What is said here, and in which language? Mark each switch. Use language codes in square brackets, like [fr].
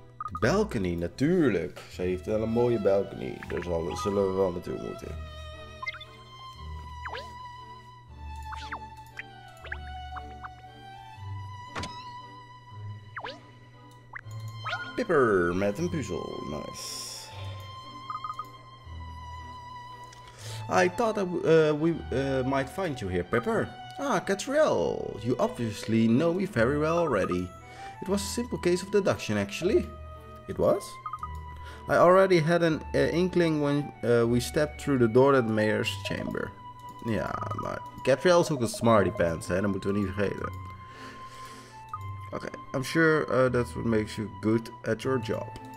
[nl] De balcony, natuurlijk. Ze heeft wel een mooie balcony, daar zullen we wel naartoe moeten. Pipper met een puzzel, nice. [en] I thought that we might find you here, Pipper. Ah, Catriel, you obviously know me very well already. It was a simple case of deduction, actually. It was? I already had an inkling when we stepped through the door at the mayor's chamber. Yeah, but [nl] Catriel is ook een smarty pants, hè? Dat moeten we niet vergeten. [en] Okay, I'm sure that's what makes you good at your job.